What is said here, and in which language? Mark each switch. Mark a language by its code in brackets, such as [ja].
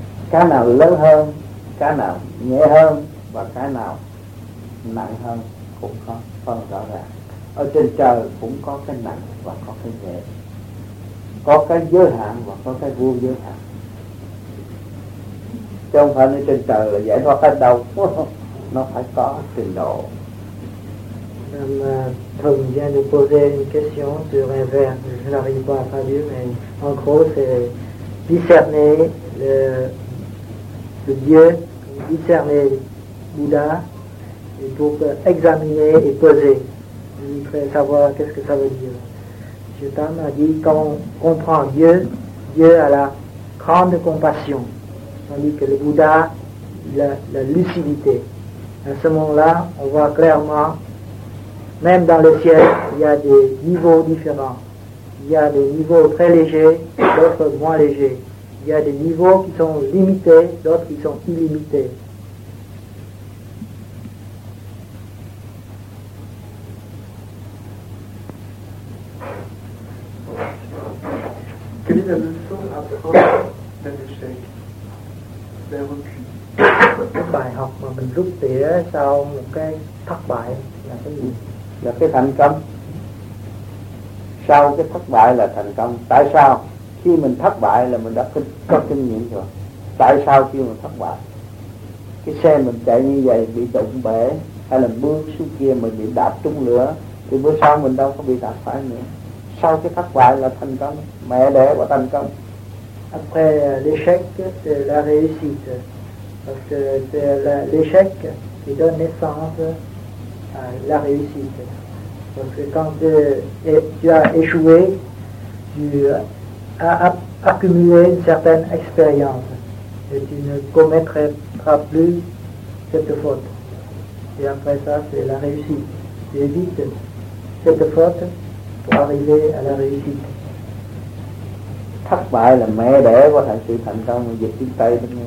[vi] Cái nào lớn hơn, cái nào nhẹ hơn và cái nào nặng hơn cũng có phân rõ ràng. Ở trên trời cũng có cái nặng và có cái nhẹ, có cái giới hạn và có cái vô giới hạn. Chứ không phải nói trên trời là giải thoát hết đâu, nó phải có trình độ. [fr] Madame Tom vient de poser une question sur un verbe, je n'arrive pas à traduire, mais en gros c'est discerner le Dieu, discerner le Bouddha, et pour examiner et poser. Je voudrais savoir qu'est-ce que ça veut dire. Monsieur Tom a dit quand on comprend Dieu, Dieu a la grande compassion, tandis que le Bouddha, il a la lucidité. À ce moment-là, on voit clairement. Même dans le ciel, il y a des niveaux différents. Il y a des niveaux très légers, d'autres moins légers. Il y a des niveaux qui sont limités, d'autres qui sont illimités. Quelle est la leçon à prendre d'un échec? [vi] Bài học mà mình rút tỉa sau một cái thất bại là cái gì? Là cái thành công. Sau cái thất bại là thành công. Tại sao? Khi mình thất bại là mình đã có kinh nghiệm rồi. Tại sao khi mình thất bại? Cái xe mình chạy như vậy bị đụng bể, hay là bước xuống kia mình bị đạp trúng lửa, thì bữa sau mình đâu có bị đạp phải nữa. Sau cái thất bại là thành công. Mẹ đẻ của thành công. [fr] Après l'échec, c'est la réussite. Parce que l'échec qui donne naissance la réussite. Parce que quand tu as échoué, tu as accumulé une certaine expérience et tu ne commettras plus cette faute. Et après ça, c'est la réussite. Tu évites cette faute pour arriver à la réussite. [vi] thất bại là mẹ đẻ của thành sự thành công của dịch tiếng Tây.